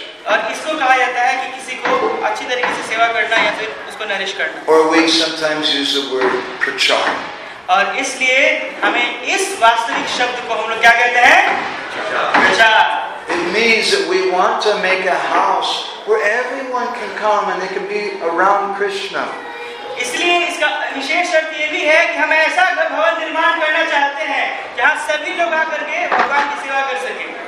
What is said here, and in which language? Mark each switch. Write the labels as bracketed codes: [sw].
[hi] और इसको कहा जाता है कि किसी को अच्छी तरीके से सेवा करना या फिर उसको नरिश करना. [en] Or we sometimes use the word prachar. [hi] और इसलिए हमें इस वास्तविक शब्द को हम लोग क्या कहते हैं? प्रचार. [en] It means that we want to make a house where everyone can come and they can be around Krishna. [hi] इसलिए इसका विशेष अर्थ ये भी है कि हम ऐसा भवन निर्माण करना चाहते हैं जहाँ सभी लोग आकर के भगवान की सेवा कर सके.